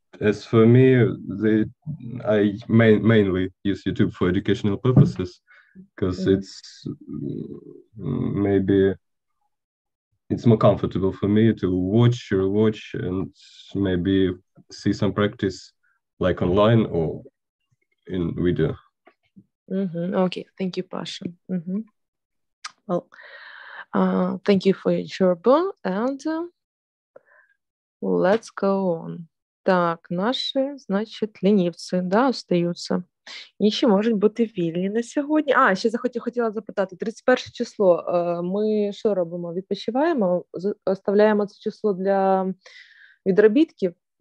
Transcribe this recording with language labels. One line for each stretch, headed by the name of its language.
English: As for me, I mainly use YouTube for educational purposes, because it's maybe it's more comfortable for me to watch or watch and maybe see some practice like online or in video. Okay, thank you, Pasha. Well, thank you for your job, and let's go on.
Russian: Так, наши, значит, ленивцы, да, остаются.
Ukrainian: І ще можуть бути вільні на сьогодні. А, ще хотіла запитати. 31 число. Ми що робимо? Відпочиваємо? Оставляємо це число для відробітків?